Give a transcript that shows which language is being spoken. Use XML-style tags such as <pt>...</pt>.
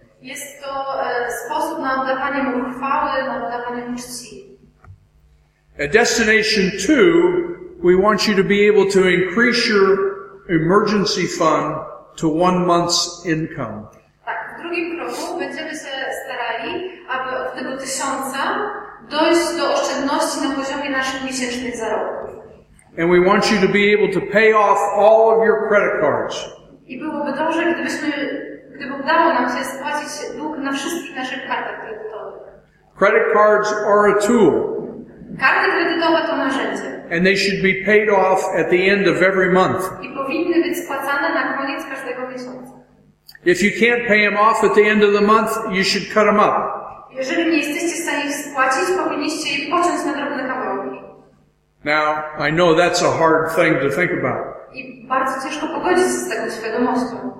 <pl>Jest to sposób na oddawanie Mu chwały, na oddawanie Mu czci.</pl> <en>At destination two, we want you to be able to increase your emergency fund to 1 month's income.</en> <pl>Tak, w drugim kroku będziemy się starali, aby od tego tysiąca dojść do oszczędności na poziomie naszych miesięcznych zarobków.</pl> <en>And we want you to be able to pay off all of your credit cards.</en> <pl>I byłoby dobrze, gdyby udało nam się spłacić dług na wszystkich naszych kartach kredytowych.</pl> <en>Credit cards are a tool.</en> <pl>Karty kredytowe to narzędzie.</pl> <en>And they should be paid off at the end of every month.</en> <pl>I powinny być spłacane na koniec każdego miesiąca.</pl> <en>If you can't pay them off at the end of the month, you should cut them up.</en> <pl>Jeżeli nie jesteście w stanie ich spłacić, powinniście je pociąć na drobne kawałki.</pl> <en>Now, I know that's a hard thing to think about.</en> <pl>I bardzo ciężko pogodzić się z tego świadomością.</pl>